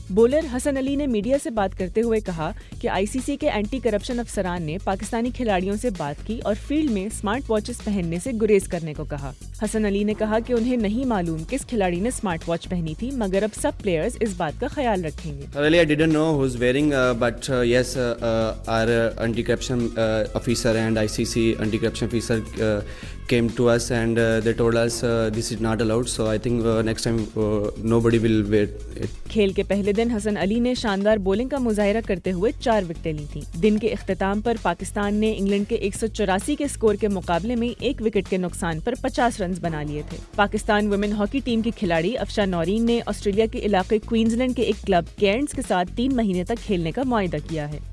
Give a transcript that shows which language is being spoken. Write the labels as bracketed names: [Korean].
[Urdu] Bowler Hasan Ali نے media سے بات کرتے ہوئے کہا کہ آئی سی سی کے اینٹی کرپشن افسران نے پاکستانی کھلاڑیوں سے بات کی اور فیلڈ میں اسمارٹ واچز پہننے سے گریز کرنے کو کہا. حسن علی نے کہا کہ انہیں نہیں معلوم کس کھلاڑی نے اسمارٹ واچ پہنی تھی, مگر اب سب پلیئرز اس بات کا خیال رکھیں گے. [English] Really, I didn't know who's wearing, but yes, our anti-corruption officer and ICC anti-corruption officer came to us and they told us this is not allowed, so I think next time nobody will wear it. [Urdu] کھیل کے پہلے دن حسن علی نے شاندار bowling کا مظاہرہ کرتے ہوئے 4 وکٹیں لی تھیں. دن کے اختتام پر پاکستان نے انگلینڈ کے 184 کے سکور کے مقابلے میں 1 وکٹ کے نقصان پر 50 رنز بنا لیے تھے. پاکستان ویمن ہاکی ٹیم کی کھلاڑی افشا نورین نے آسٹریلیا کے علاقے کوئنز لینڈ کے ایک کلب کیئرنز کے ساتھ 3 مہینے تک کھیلنے کا معاہدہ کیا ہے.